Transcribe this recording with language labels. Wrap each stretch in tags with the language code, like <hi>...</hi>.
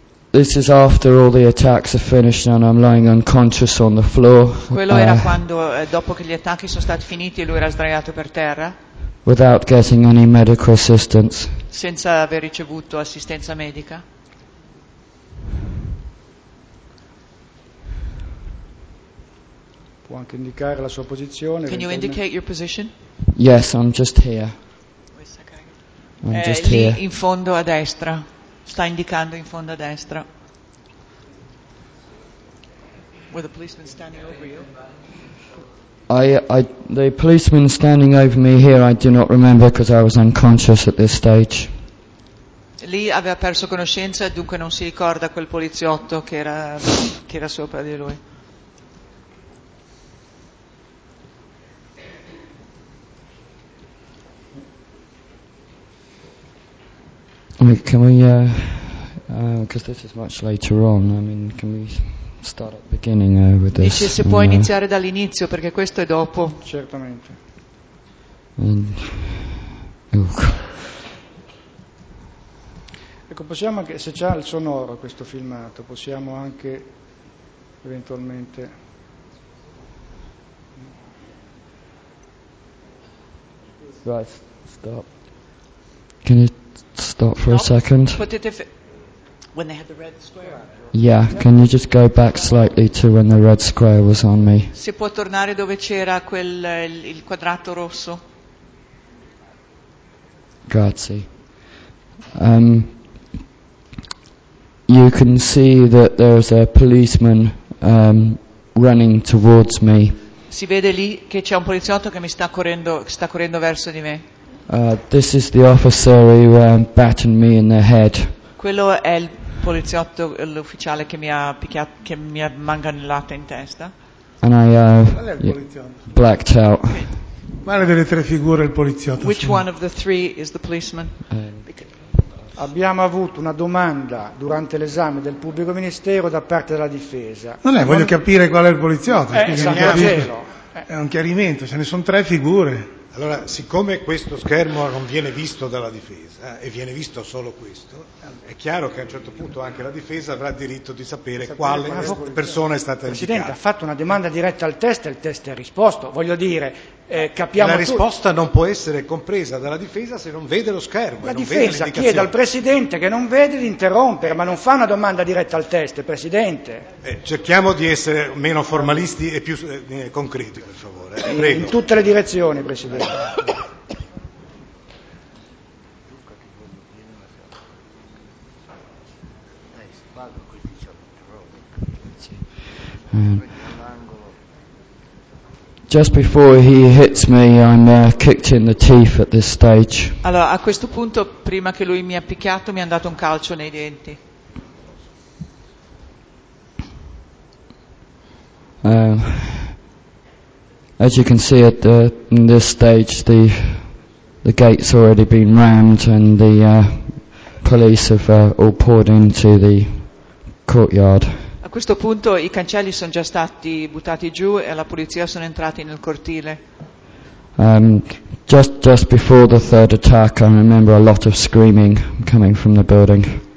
<en>This is after all the attacks are finished and I'm lying unconscious on the floor.</en> <it>Quello era quando dopo che gli attacchi sono stati finiti e lui era sdraiato per terra.</it> <en>Without getting any medical assistance.</en> <it>Senza aver ricevuto assistenza medica. Può anche indicare la sua posizione.</it> <en>Can you indicate your position? Yes, I'm just here. I'm just here.</en> <it>Lì in fondo a destra. Sta indicando in fondo a destra.</it> <en>With the policeman standing over you. The policeman standing over me here, I do not remember because I was unconscious at this stage.</en> <it>Lì aveva perso conoscenza, dunque non si ricorda quel poliziotto che era sopra di lui.</it> <en>Can we, because this is much later on, I mean, can we start at the beginning with this?</en> <it>Dice se può iniziare dall'inizio, perché questo è dopo. Certamente. Ecco, possiamo anche, se c'è il sonoro questo filmato, possiamo anche eventualmente...</it> <en>Right, stop. Can you... Stop for a second. When they had the red square. Yeah, can you just go back slightly to when the red square was on me?</en> <it>Si può tornare dove c'era quel il quadrato rosso. Grazie.</it> <en>You can see that there's a policeman running towards me.</en> <it>Si vede lì che c'è un poliziotto che mi sta correndo, sta correndo verso di me.</it> <en>This is the officer who battered me in the head.</en> <it>Quello è il poliziotto, l'ufficiale che mi ha picchiato, che mi ha manganellato in testa.</it> <en>And I blacked out.</en> <it>Quale delle tre figure il poliziotto?</it> <en>Which one of the three is the policeman?</en> <it>Abbiamo avuto una domanda durante l'esame del pubblico ministero da parte della difesa. Non è, voglio capire qual è il poliziotto. È un chiarimento, ce ne sono tre figure. Allora, siccome questo schermo non viene visto dalla difesa e viene visto solo questo, è chiaro che a un certo punto anche la difesa avrà diritto di sapere quale persona è stata indicata. Presidente, ha fatto una domanda diretta al test e il test ha risposto. Voglio dire, capiamo la risposta non può essere compresa dalla difesa se non vede lo schermo. La difesa vede chiede al presidente che non vede di interrompere, ma non fa una domanda diretta al test, presidente. Cerchiamo di essere meno formalisti e più concreti, per favore. Prego. In tutte le direzioni, presidente.</it> <en>Just before he hits me, I'm kicked in the teeth at this stage.</en> <it>Allora, a questo punto, prima che lui mi ha picchiato, mi ha dato un calcio nei denti.</it> <en>As you can see at in this stage, the gate's already been rammed and the police have all poured into the courtyard.</en> <it>A questo punto i cancelli sono già stati buttati giù e la polizia sono entrati nel cortile.</it> <en>Just before the third attack, I remember a lot of screaming coming from the building.</en>